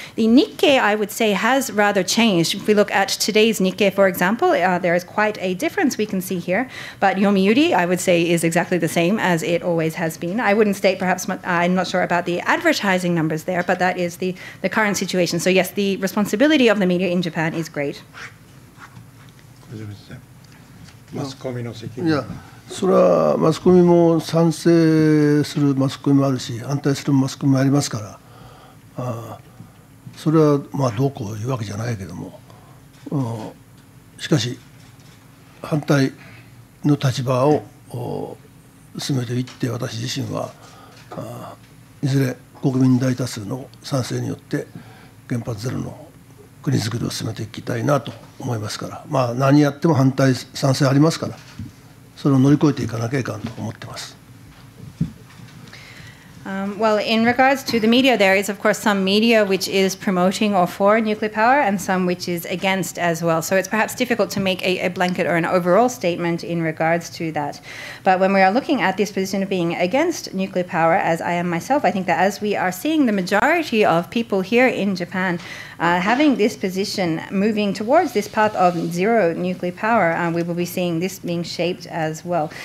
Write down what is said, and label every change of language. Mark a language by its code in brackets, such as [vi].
[en] The Nikkei, I would say, has rather changed. If we look at today's Nikkei, for example, there is quite a difference we can see here. But Yomiuri, I would say, is exactly the same as it always has been. I wouldn't state, perhaps, I'm not sure about the advertising numbers there, but that is the current situation. So yes, the responsibility of the media in Japan is great. Yeah. [ja] それはマスコミも賛成するマスコミもあるし反対するマスコミもありますから、それはまあどうこういうわけじゃないけども、しかし反対の立場を進めていって、私自身はいずれ国民大多数の賛成によって原発ゼロの国づくりを進めていきたいなと思いますから、まあ何やっても反対賛成ありますから、それを乗り越えていかなきゃいかんと思ってます。 [en] Well, in regards to the media, there is of course some media which is promoting or for nuclear power and some which is against as well. So it's perhaps difficult to make a blanket or an overall statement in regards to that. But when we are looking at this position of being against nuclear power, as I am myself, I think that as we are seeing the majority of people here in Japan having this position, moving towards this path of zero nuclear power, we will be seeing this being shaped as well.